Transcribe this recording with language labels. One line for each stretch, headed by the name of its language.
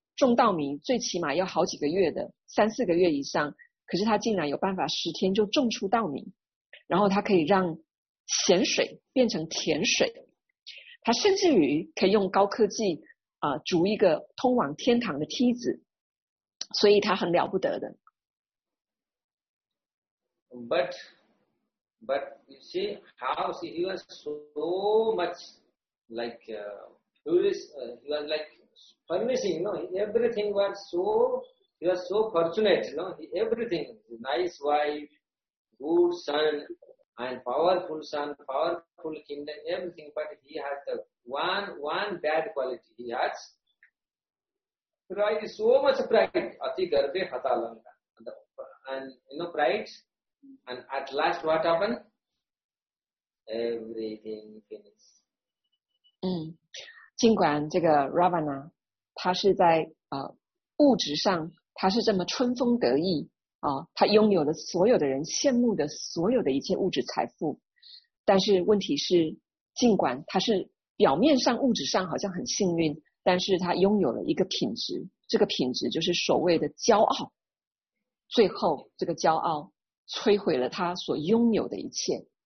Chinese: 种稻米最起码要好几个月的，3-4个月以上，可是他竟然有办法10天就种出稻米，然后他可以让咸水变成甜水，他甚至于可以用高科技筑一个通往天堂的梯子，所以他很了不得的。
English: But you see how he was so much like he was likeFurnishing, you know, everything was so, he was so fortunate, you know, everything, nice wife, good son, and powerful son, powerful kingdom, everything, but he has the one bad quality, he has pride, so much pride,
Hindi: ati garbe hata langa,
English: and you know, pride, and at last what happened? Everything finished.
Chinese: 尽管这个 Ravana他是在物质上他是这么春风得意他拥有了所有的人羡慕的所有的一切物质财富，但是问题是尽管他是表面上物质上好像很幸运，但是他拥有了一个品质，这个品质就是所谓的骄傲，最后这个骄傲摧毁了他所拥有的一切。